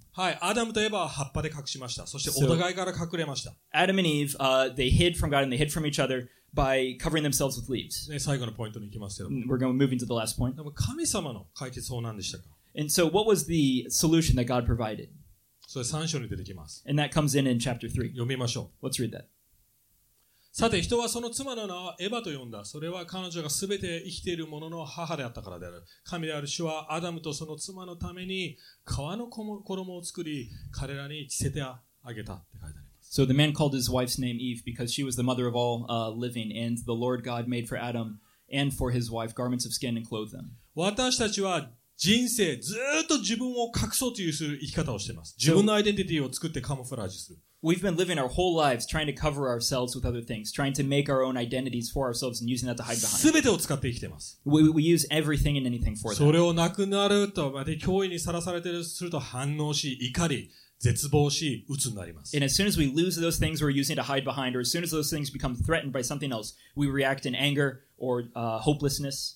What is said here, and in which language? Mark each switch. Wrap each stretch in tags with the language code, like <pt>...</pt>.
<ja>はい、アダムとエヴァは葉っぱで隠しました。そしてお互いから隠れました。</ja> <en>So, Adam and Eve, they hid from God and they hid from each other by covering themselves with leaves.</en> <ja>ね、最後のポイントに行きますけど。</ja> <en>We're going moving to the last point.</en> <ja>でも神様の解決法なんでしたか?</ja> <en>And so, what was the solution that God provided?</en> <ja>それ3章に出てきます。</ja> <en>And that comes in chapter 3.</en> <ja>読みましょう。</ja> <en>Let's read that.</en> <ja>さて、人はその妻の名をエヴァと呼んだ。それは彼女がすべて生きているものの母であったからである。神である主はアダムとその妻のために皮の衣を作り、彼らに着せてあげたって書いてあります。</ja> <en>So the man called his wife's name Eve because she was the mother of all living, and the Lord God made for Adam and for his wife garments of skin and clothed them.</en> <ja>私たちは人生ずっと自分を隠そうという生き方をしています。自分のアイデンティティを作ってカモフラージュする。</ja> <en>We've been living our whole lives trying to cover ourselves with other things, trying to make our own identities for ourselves and using that to hide behind.</en> <ja>全てを使って生きてます。</ja> <en>We use everything and anything for that.</en> <ja>それをなくなると、また脅威にさらされてすると反応し、怒り、絶望し、鬱になります。</ja> <en>And as soon as we lose those things we're using to hide behind, or as soon as those things become threatened by something else, we react in anger or hopelessness.</en>